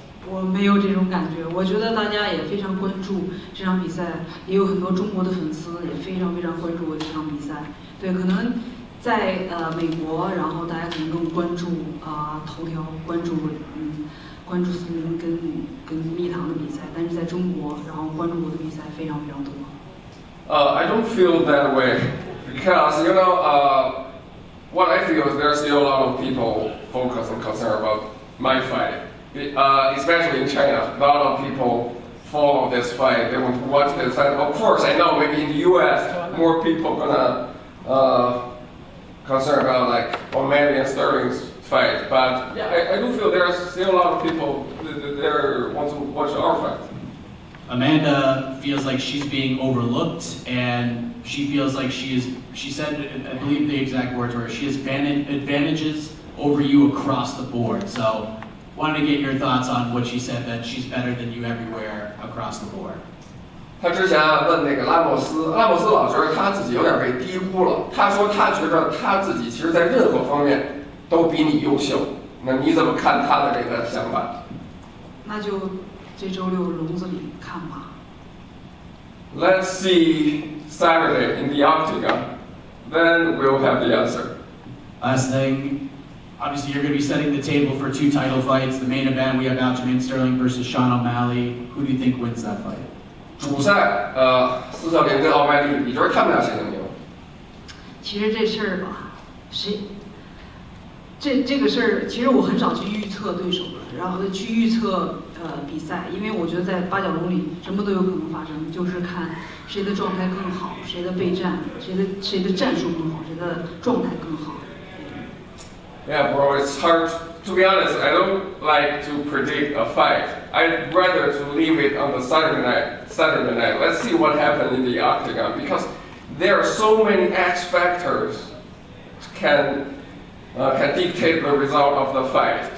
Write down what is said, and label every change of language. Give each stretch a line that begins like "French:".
Chinese: 我没有这种感觉，我觉得大家也非常关注这场比赛，也有很多中国的粉丝也非常非常关注这场比赛。对，可能在美国，然后大家可能更关注头条，关注斯林跟蜜糖的比赛，但是在中国，然后关注我的比赛非常非常多。
English: I don't feel that way. Because, you know, what I feel is there's still a lot of people focused and concerned about my fight. Especially in China, a lot of people follow this fight. They want to watch this fight. Of course, I know maybe in the U.S. more people are going to concern about like O'Malley and Sterling's fight. But yeah, I do feel there's still a lot of people that want to watch our fight. Amanda feels like she's being overlooked, and she feels like she said, I believe the exact words were, she has advantages over you across the board. So, wanted to get your thoughts on what she said, that she's better than you everywhere across the board.
Chinese: 她之前问那个拉莫斯老师，她自己有点被低估了。她说她觉得她自己其实在任何方面都比你优秀。那你怎么看她的这个想法？那就这周六笼子里看吧。
English: Let's see Saturday in the octagon, then we'll have the answer. Last thing, obviously you're going to be setting the table for 2 title fights. The main event, we have Aljamain Sterling versus Sean O'Malley. Who do you think wins that fight?
Chinese: 主赛，斯特林跟奥麦利，你觉得他们俩谁能赢？其实这事儿吧，谁？这个事儿，其实我很少去预测对手了，然后去预测比赛，因为我觉得在八角笼里什么都有可能发生，就是看谁的状态更好，谁的备战，谁的战术更好，谁的状态更好。
English: Yeah, bro, it's hard. To be honest, I don't like to predict a fight. I'd rather to leave it on the Saturday night. Let's see what happened in the octagon, because there are so many X factors can dictate the result of the fight.